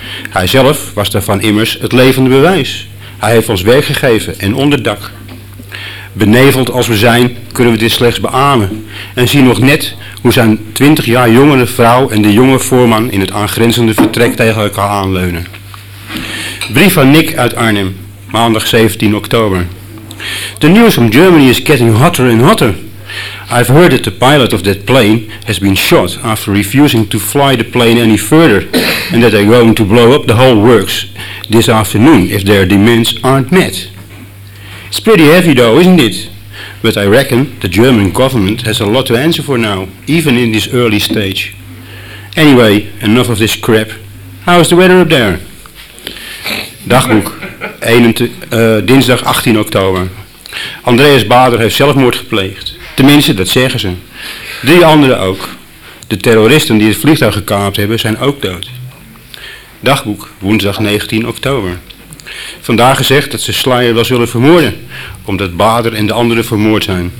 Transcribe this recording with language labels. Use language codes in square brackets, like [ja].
[nl] Hij zelf was daarvan immers het levende bewijs. Hij heeft ons werk gegeven en onderdak. Beneveld als we zijn, kunnen we dit slechts beamen. En zien nog net hoe zijn 20 jaar jongere vrouw en de jonge voorman in het aangrenzende vertrek tegen elkaar aanleunen. Brief van Nick uit Arnhem, maandag 17 oktober. [en] The news from Germany is getting hotter and hotter. I've heard that the pilot of that plane has been shot after refusing to fly the plane any further and that they're going to blow up the whole works this afternoon if their demands aren't met. It's pretty heavy though, isn't it? But I reckon the German government has a lot to answer for now, even in this early stage. Anyway, enough of this crap. How is the weather up there? [nl] Dagboek, dinsdag 18 oktober. Andreas Bader heeft zelfmoord gepleegd. Tenminste, dat zeggen ze. 3 anderen ook. De terroristen die het vliegtuig gekaapt hebben, zijn ook dood. Dagboek, woensdag 19 oktober. Vandaag gezegd dat ze Slayer wel zullen vermoorden, omdat Bader en de anderen vermoord zijn.